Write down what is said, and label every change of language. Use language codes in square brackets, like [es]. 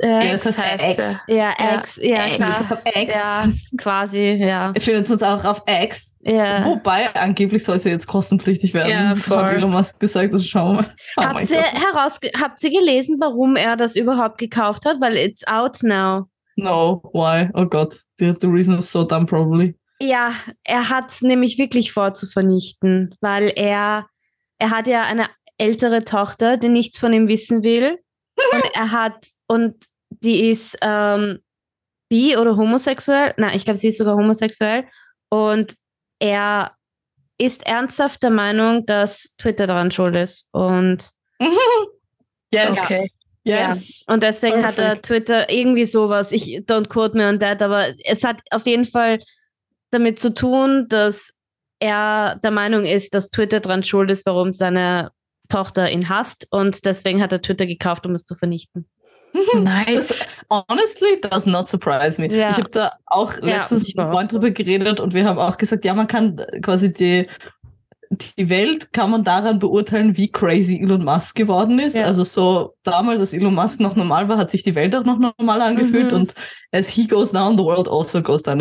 [de] Ex. Ja, Ex. Ja, klar. Ex. Ja, quasi, ja. Wir finden uns auch auf Ex. Ja. Wobei, angeblich soll sie jetzt kostenpflichtig werden. Ja, voll. Hat Elon Musk gesagt, das schauen wir mal. Oh, habt ihr gelesen, warum er das überhaupt gekauft hat? Weil [en] it's out now. No, why? [de] Oh Gott, [en] the reason is so dumb probably. [de] Ja, er hat nämlich wirklich vor zu vernichten, weil er hat ja eine ältere Tochter, die nichts von ihm wissen will. Und er hat, und die ist bi oder homosexuell. Nein, ich glaube, sie ist sogar homosexuell. Und er ist ernsthaft der Meinung, dass Twitter daran schuld ist. Und [en] yes. Okay. Yes. [de] Ja. Und deswegen hat er Twitter irgendwie sowas. Ich [en] don't quote me on that, [de] aber es hat auf jeden Fall damit zu tun, dass er der Meinung ist, dass Twitter dran schuld ist, warum seine Tochter ihn hasst, und deswegen hat er Twitter gekauft, um es zu vernichten. [en] Nice. [de] Das, [en] honestly, does not surprise me. [de] Ja. Ich habe da auch letztens mit einem Freund drüber geredet und wir haben auch gesagt, ja, man kann quasi die Welt kann man daran beurteilen, wie crazy Elon Musk geworden ist. Ja. Also so damals, als Elon Musk noch normal war, hat sich die Welt auch noch normal angefühlt, und [en] as he goes down, the world also goes down.